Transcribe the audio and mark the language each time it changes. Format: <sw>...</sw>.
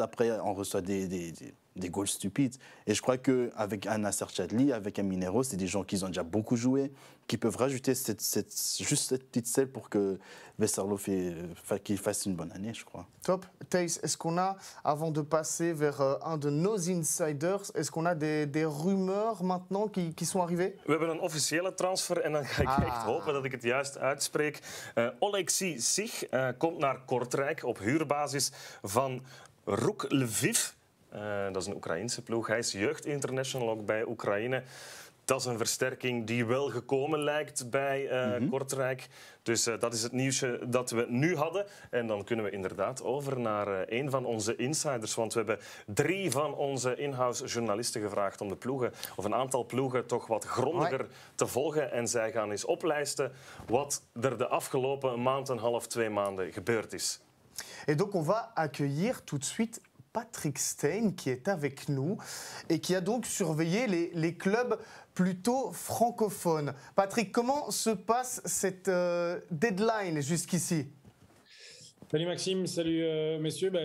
<fr>Après, on reçoit des goals stupides. Et je crois qu'avec un Nasser Chadli, avec un Minero, c'est des gens qui ont déjà beaucoup joué, qui peuvent rajouter cette petite selle pour que Westerlo qu'il fasse une bonne année, je crois. Top. Thijs, est-ce qu'on a, avant de passer vers un de nos insiders, est-ce qu'on a des rumeurs maintenant qui sont arrivées?</fr> <nl>We hebben een officiële transfer en dan ga ik echt hopen dat ik het juist uitspreek. Oleksii Sich komt naar Kortrijk op huurbasis van Rok Lviv. Dat is een Oekraïense ploeg. Hij is jeugdinternational ook bij Oekraïne. Dat is een versterking die wel gekomen lijkt bij Kortrijk. Dus dat is het nieuwsje dat we nu hadden. En dan kunnen we inderdaad over naar een van onze insiders. Want we hebben drie van onze in-house journalisten gevraagd om de ploegen, of een aantal ploegen, toch wat grondiger te volgen. En zij gaan eens oplijsten wat er de afgelopen maand, een half, twee maanden gebeurd is. En dus</nl> <fr>on va accueillir tout de suite Patrick Stein, qui est avec nous et qui a donc surveillé les clubs plutôt francophones. Patrick, comment se passe cette deadline jusqu'ici? Salut Maxime, salut messieurs.</fr>